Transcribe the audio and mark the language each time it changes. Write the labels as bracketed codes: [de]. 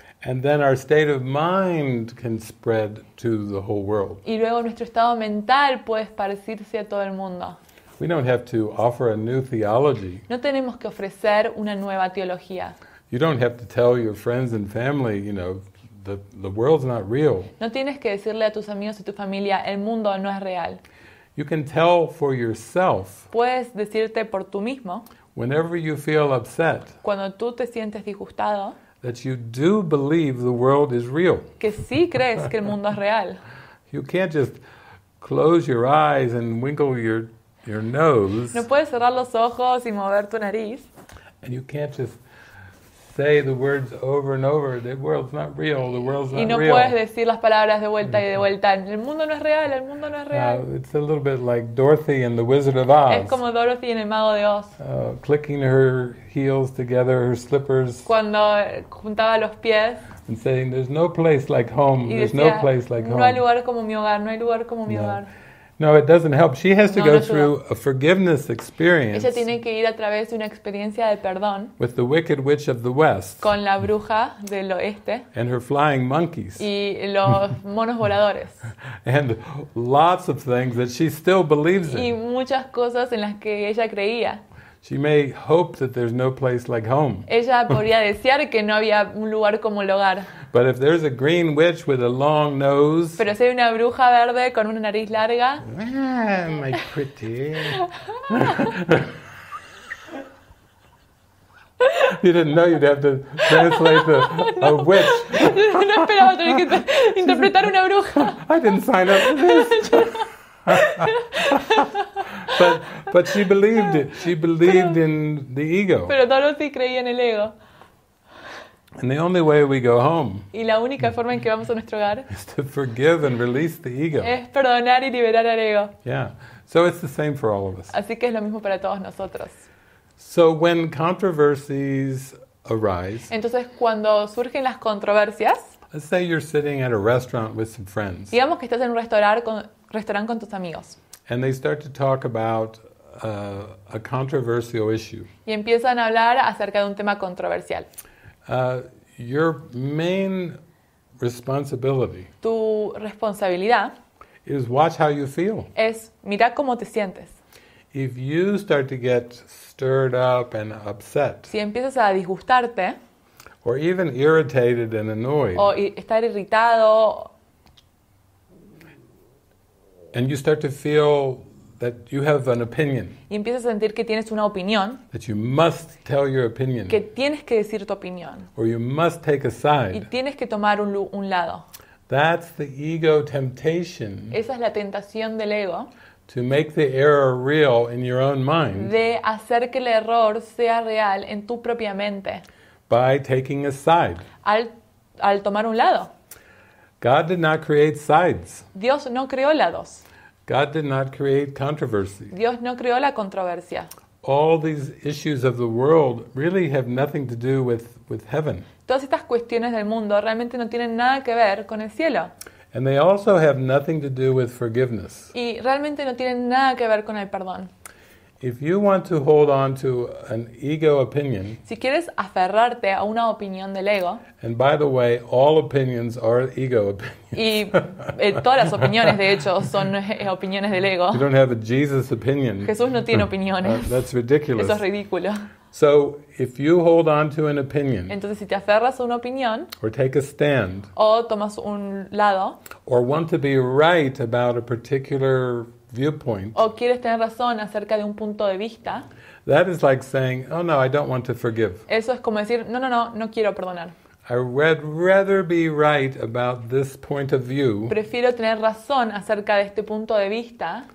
[en] And then our state of mind can spread to the whole world. [es] Y luego nuestro estado mental puede esparcirse a todo el mundo. [en] We don't have to offer a new theology. [es] No tenemos que ofrecer una nueva teología. [en] You don't have to tell your friends and family, you know, the world's not real. [es] No tienes que decirle a tus amigos y tu familia, el mundo no es real. [en] You can tell for yourself. [es] Puedes decirte por tú mismo. [en] Whenever you feel upset. [es] Cuando tú te sientes disgustado. [en] That you do believe the world is real. [es] Que sí crees que el mundo es real. [en] You can't just close your eyes and winkle your nose. [es] No puedes cerrar los ojos y mover tu nariz. [en] And you can't just say the words over and over, the world's not real, the world's not real. [es] Y no puedes decir las palabras de vuelta y de vuelta, el mundo no es real, el mundo no es real. [en] It's a little bit like Dorothy and the Wizard of Oz. [es] Es como Dorothy en el Mago de Oz. [en] Clicking her heels together, her slippers. [es] Cuando juntaba los pies. [en] And saying, there's no place like home, [es] decía, [en] there's no place like home. [es] No hay lugar como mi hogar, no hay lugar como mi hogar. [en] No, it doesn't help. She has to go through a forgiveness experience. [es] Ella tiene que ir a través de una experiencia de perdón. [en] With the wicked witch of the west. [es] Con la bruja del oeste. [en] And her flying monkeys. [es] Y los monos voladores. [en] And lots of things that she still believes in. [es] Y muchas cosas en las que ella creía. [en] She may hope that there's no place like home. [es] Ella podría desear que no había un lugar como el hogar. [en] But if there's a green witch with a long nose. [es] Pero si hay una bruja verde con una nariz larga. [en] My pretty. You didn't know you'd have to translate a witch. [es] No esperaba tener que interpretar una bruja. [en] I didn't sign up for this. But But she believed it. She believed in the ego. [es] Pero Dorothy creía en el ego. [en] And the only way we go home [es] y la única forma en que vamos a nuestro hogar [en] is to forgive and release the ego. [es] Es perdonar y liberar al ego. [en] Yeah. So it's the same for all of us. [es] Así que es lo mismo para todos nosotros. [en] So when controversies arise, [es] entonces cuando surgen las controversias, [en] let's say you're sitting at a restaurant with some friends. [es] Digamos que estás en un restaurante con tus amigos. [en] And they start to talk about a controversial issue. [es] Y empiezan a hablar acerca de un tema controversial. [en] Your main responsibility. [es] Tu responsabilidad. [en] Is watch how you feel. [es] Es mira cómo te sientes. [en] If you start to get stirred up and upset. [es] Si empiezas a disgustarte. [en] Or even irritated and annoyed. [es] O estar irritado. [en] And you start to feel that you have an opinion. [es] Y empiezas a sentir que tienes una opinión. [en] That you must tell your opinion. [es] Que tienes que decir tu opinión. [en] Or you must take a side. [es] Y tienes que tomar un lado. [en] That's the ego temptation. [es] Esa es la tentación del ego. [en] To make the error real in your own mind. [es] De hacer que el error sea real en tu propia mente. [en] By taking a side. [es] Al tomar un lado. [en] God did not create sides. [es] Dios no creó lados. [en] God did not create controversy. [es] Dios no creó la controversia. [en] All these issues of the world really have nothing to do with heaven. [es] Todas estas cuestiones del mundo realmente no tienen nada que ver con el cielo. [en] And they also have nothing to do with forgiveness. [es] Y realmente no tienen nada que ver con el perdón. [en] If you want to hold on to an ego opinion. [es] Si quieres aferrarte a una opinión del ego. [en] And by the way, all opinions are ego opinions. [es] Y todas las opiniones de hecho son opiniones del ego. [en] You don't have a Jesus opinion. [es] Jesús no tiene opiniones. [en] That's ridiculous. [es] Eso es ridículo. [en] So if you hold on to an opinion. [es] Entonces si te aferras a una opinión. [en] Or take a stand. [es] O tomas un lado. [en] Or want to be right about a particular viewpoint. [es] O quieres tener razón acerca de un punto de vista. [en] That is like saying, "Oh no, I don't want to forgive." [es] Eso es como decir, "No, no, no, no quiero perdonar." [en] I would rather be right about this point of view. [es] Prefiero tener razón acerca de este punto de vista.